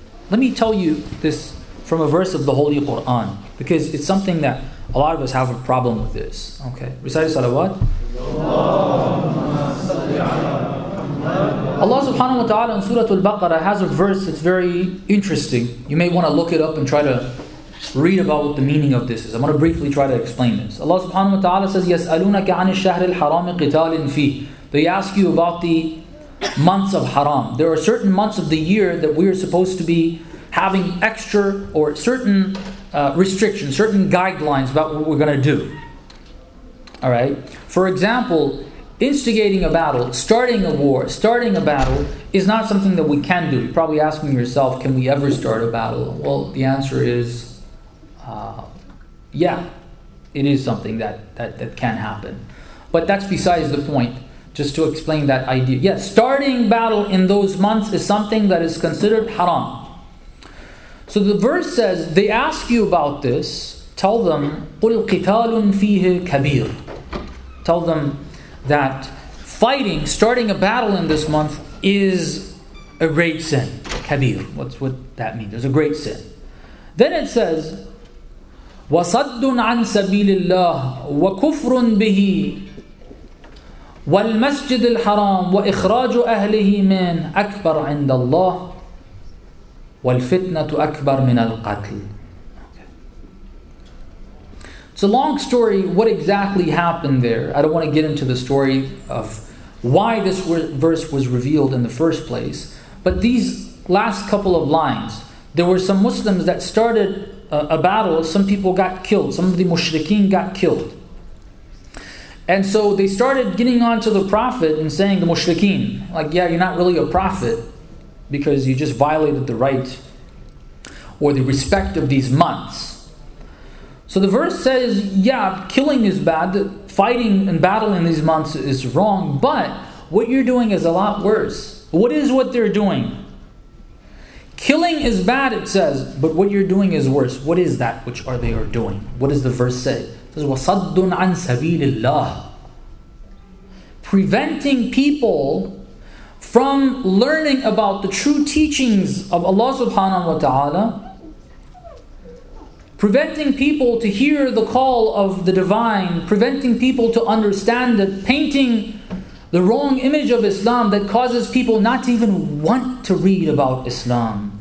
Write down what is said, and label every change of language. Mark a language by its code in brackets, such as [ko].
[en] Let me tell you this from a verse of the Holy Quran, because it's something that a lot of us have a problem with this. Okay. Recite salawat. Allah subhanahu wa ta'ala in Surah Al-Baqarah has a verse that's very interesting. You may want to look it up and try to read about what the meaning of this is. I'm going to briefly try to explain this. Allah subhanahu wa ta'ala says, [ar] يَسْأَلُونَكَ عَنِ الشَّهْرِ الْحَرَامِ قِتَالٍ فِيهِ. [en] They ask you about the months of haram. There are certain months of the year that we are supposed to be having extra or certain restrictions, certain guidelines about what we're going to do. All right. For example, instigating a battle, starting a war, starting a battle is not something that we can do. You're probably asking yourself, can we ever start a battle? Well, the answer is, yeah, it is something that can happen. But that's besides the point, just to explain that idea. Yes, starting battle in those months is something that is considered haram. So the verse says, they ask you about this, tell them, [ar] قُلْ قِتَالٌ فِيهِ كَبِيرٌ. [en] Tell them that fighting, starting a battle in this month, is a great sin. Kabir, what's what that means? It's a great sin. Then it says, [ar] وَصَدٌّ عَن سَبِيلِ اللَّهِ وَكُفْرٌ بِهِ وَالْمَسْجِدِ الْحَرَامِ وَإِخْرَاجُ أَهْلِهِ مِنْ أَكْبَرْ عِنْدَ اللَّهِ وَالْفِتْنَةُ أَكْبَرُ مِنَ الْقَتْلِ. [en] It's a long story, what exactly happened there. I don't want to get into the story of why this verse was revealed in the first place. But these last couple of lines, there were some Muslims that started a battle. Some people got killed. Some of the mushrikeen got killed. And so they started getting on to the Prophet and saying, the mushrikeen, like, yeah, you're not really a prophet, because you just violated the right or the respect of these months. So the verse says, yeah, killing is bad, fighting and battling these months is wrong, but what you're doing is a lot worse. What is what they're doing? Killing is bad, it says, but what you're doing is worse. What is that which are they are doing? What does the verse say? It says, [ar] وَصَدٌّ عَن سَبِيلِ اللَّهِ. [en] Preventing people from learning about the true teachings of Allah subhanahu wa ta'ala, preventing people to hear the call of the divine, preventing people to understand it, painting the wrong image of Islam that causes people not to even want to read about Islam,